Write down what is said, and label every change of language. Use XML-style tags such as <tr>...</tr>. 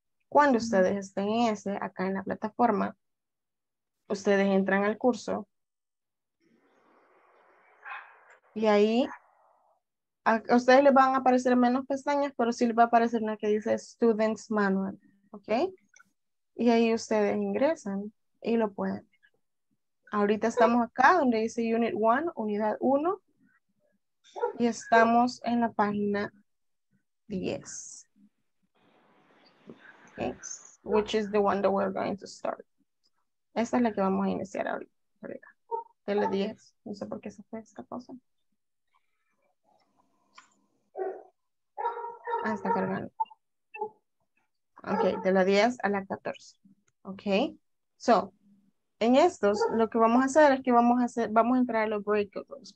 <es>Cuando ustedes estén en ese, acá en la plataforma, ustedes entran al curso y ahí a ustedes les van a aparecer menos pestañas, pero sí les va a aparecer una que dice Students Manual, ¿ok? Y ahí ustedes ingresan y lo pueden ver. Ahorita estamos acá donde dice Unit 1, Unidad 1, y estamos en la página 10.</es> <en>Okay. Which is the one that we're going to start.</en> <es>Esta es la que vamos a iniciar ahorita. L10. No sé por qué se fue esta cosa. Ah, está cargando. Ok, de la 10 a la 14. Ok. So, en estos, lo que vamos a hacer es que vamos a entrar a los breakouts.</es>